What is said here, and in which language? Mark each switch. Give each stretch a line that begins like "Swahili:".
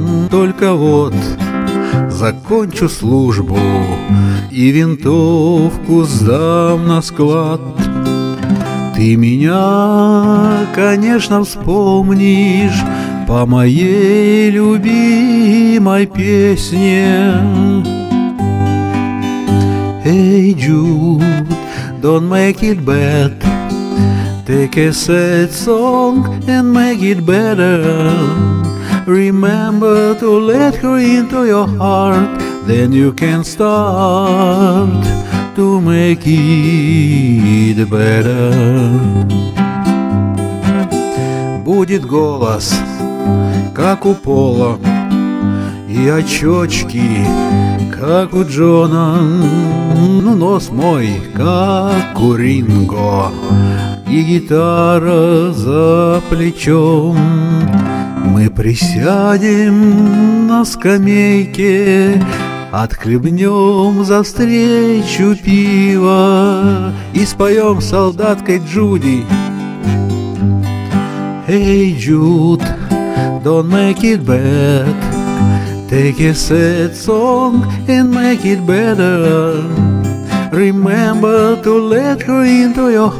Russian: Только вот закончу службу и винтовку сдам на склад. Ты меня, конечно, вспомнишь по моей любимой песне.
English: Эй, Джуд, don't make it bad, take a sad song and make it better. Remember to let her into your heart, then you can start to make it better.
Russian: Будет голос, как у Пола, и очечки, как у Джона. Ну, нос мой, как у Ринго, и гитара за плечом. Мы присядем на скамейке, отхлебнем за встречу пива и споем солдаткой Джуди.
English: Эй, Джуд, don't make it bad, take a sad song and make it better. Remember to let her into your heart, then you can start